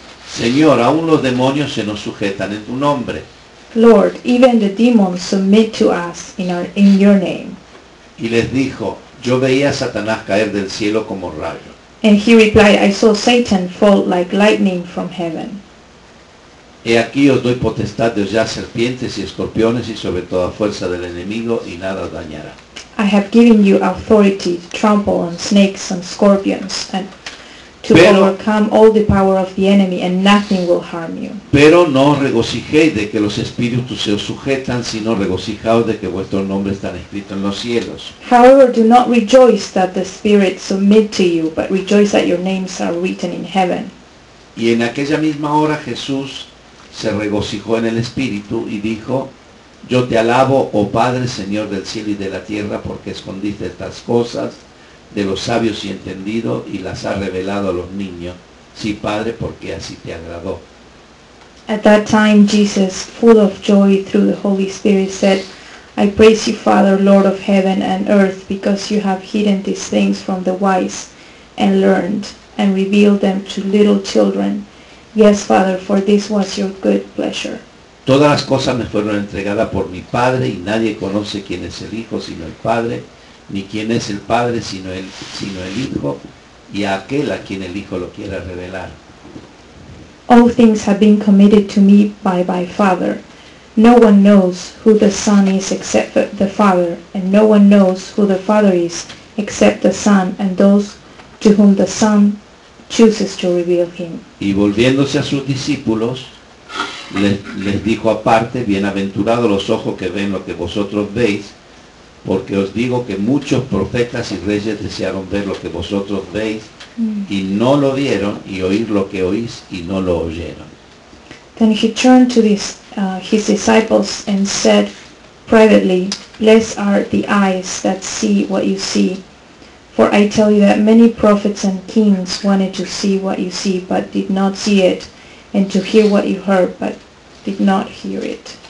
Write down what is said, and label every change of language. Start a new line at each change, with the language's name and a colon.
Spanish: Señor, aún los demonios se nos sujetan en tu nombre.
English: Lord, even the demons submit to us in your name.
Spanish: Y les dijo, yo veía a Satanás caer del cielo como rayo.
English: And he replied, I saw Satan fall like lightning from heaven.
Spanish: He aquí os doy potestad de hollar serpientes y escorpiones y sobre toda fuerza del enemigo y nada os dañará.
English: I have given you authority to trample on snakes and scorpions and to overcome all the power of the enemy and nothing will harm you.
Spanish: Pero no os regocijéis de que los espíritus se os sujetan, sino regocijaos de que vuestro nombre está escrito en los cielos.
English: However, do not rejoice that the spirits submit to you, but rejoice that your names are written in heaven.
Spanish: Y en aquella misma hora Jesús se regocijó en el espíritu y dijo, yo te alabo, oh Padre, Señor del cielo y de la tierra, porque escondiste estas cosas de los sabios y entendidos y las ha revelado a los niños. Sí, Padre, porque así te agradó.
English: At that time, Jesus, full of joy through the Holy Spirit, said, I praise you, Father, Lord of heaven and earth, because you have hidden these things from the wise and learned and revealed them to little children. Yes, Father, for this was your good pleasure.
Spanish: Todas las cosas me fueron entregadas por mi Padre y nadie conoce quién es el Hijo sino el Padre, ni quién es el Padre sino el Hijo y a aquel a quien el Hijo lo quiera revelar.
English: All things have been committed to me by my Father. No one knows who the Son is except the Father, and no one knows who the Father is except the Son and those to whom the Son chooses to reveal him.
Spanish: Y volviéndose a sus discípulos, les dijo aparte, bienaventurados los ojos que ven lo que vosotros veis, porque os digo que muchos profetas y reyes desearon ver lo que vosotros veis y no lo vieron, y oír lo que oís y no lo oyeron.
English: Then he turned to his disciples and said privately, blessed are the eyes that see what you see. For I tell you that many prophets and kings wanted to see what you see, but did not see it, and to hear what you heard, but did not hear it.